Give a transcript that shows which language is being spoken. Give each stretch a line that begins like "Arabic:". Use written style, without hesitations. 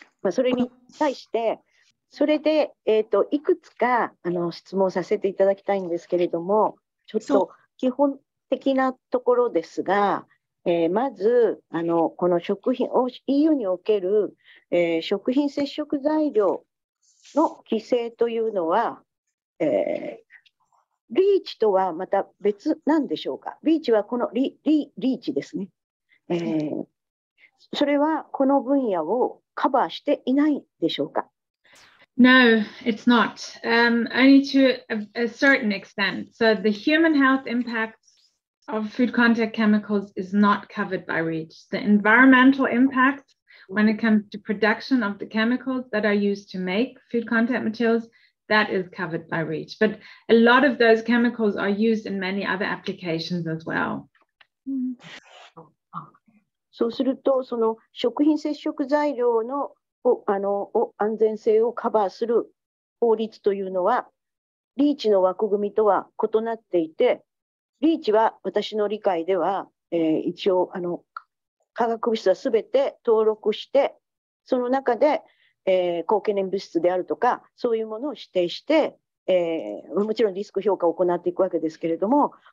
Japanese: それに対して、それで、いくつか質問させていただきたいんですけれども、ちょっと基本的なところですが、まず、この食品、EU における、食品接触材料の規制というのは、リーチとはまた別なんでしょうか。リーチはこのリーチですね。それはこの分野をカバーしていないでしょうか?
English: No, it's not. Only to a certain extent. So the human health impact of food contact chemicals is not covered by REACH. The environmental impact when it comes to production of the chemicals that are used to make food contact materials, that is covered by REACH. But a lot of those chemicals are used in many other applications as well.
Japanese: そうすると、その食品接触材料の安全性をカバーする法律というのは、リーチの枠組みとは異なっていて、リーチは私の理解では、一応化学物質はすべて登録して、その中で、高懸念物質であるとか、そういうものを指定して、もちろんリスク評価を行っていくわけですけれども、